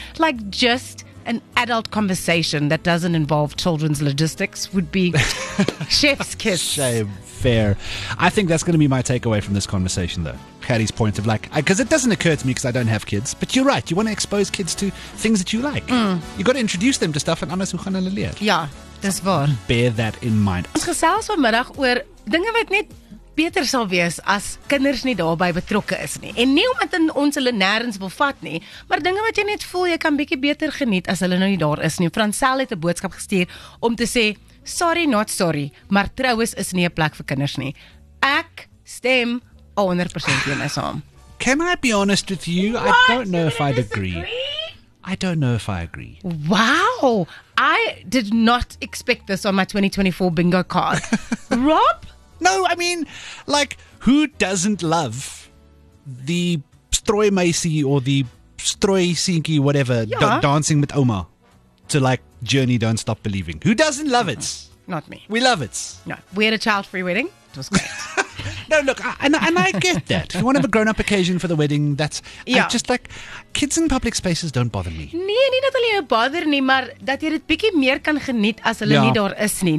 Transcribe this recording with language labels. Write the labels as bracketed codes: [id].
[en] Like, just an adult conversation that doesn't involve children's logistics would be chef's kiss. Shame. Fair. I think that's going to be my takeaway from this conversation, though. Patty's point of, like, because it doesn't occur to me because I don't have kids, but you're right. You want to expose kids to things that you like. Mm. You got to introduce them to stuff and [af] anders hoe gaan hulle leer. Ja, dis waar. [en] Bear that in mind. [af] Ons gesels vanmiddag oor dinge wat net beter sal wees as kinders nie daarby betrokke is nie. En nie omdat ons hulle nêrens wil vat nie, maar dinge wat jy net voel jy kan bietjie beter geniet as hulle nou nie daar is nie. Fransel het 'n boodskap gestuur om te sê, [en] sorry, not sorry, [af] maar troues is nie 'n plek vir kinders nie. Ek stem 100% teen my saam. [en] Can I be honest with you? What? I don't know if I'd agree. I don't know if I agree. Wow! I did not expect this on my 2024 bingo card. Rob? No, I mean, like, who doesn't love the strooi meisie or the strooi seentjie, whatever, yeah. dancing with Oma? To like Journey, Don't Stop Believing. Who doesn't love it? Not me. We love it. No. We had a child-free wedding. It was great. No, look, I get that. If you want to have a grown-up occasion for the wedding, that's... Yeah. I just like... Kids in public spaces don't bother me. [af] Nee, nie dat hulle jou bother nie, maar dat jy dit bietjie meer kan geniet as hulle nie daar is nie.